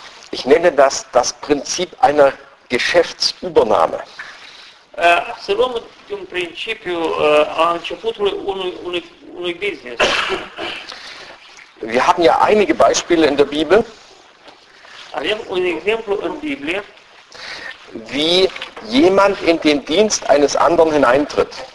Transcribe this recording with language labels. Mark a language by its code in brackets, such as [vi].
[de] Ich nenne das das Prinzip einer Geschäftsübernahme. [ro] Să luăm un principiu a începutului unui business. [de] Wir haben ja einige Beispiele in der Bibel. [ro] Avem un exemplu în Biblie. [de] Wie jemand in den Dienst eines anderen hineintritt.